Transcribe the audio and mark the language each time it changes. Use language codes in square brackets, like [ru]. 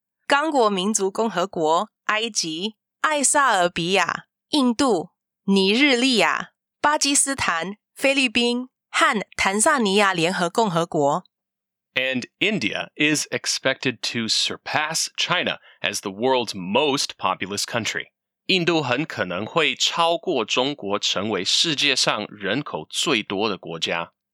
[zh] 刚果民族共和国,埃及,埃塞俄比亚,印度,尼日利亚,巴基斯坦,菲律宾,和坦桑尼亚联合共和国。 [en] And India is expected to surpass China as the world's most populous country. [zh] 印度很可能会超过中国成为世界上人口最多的国家。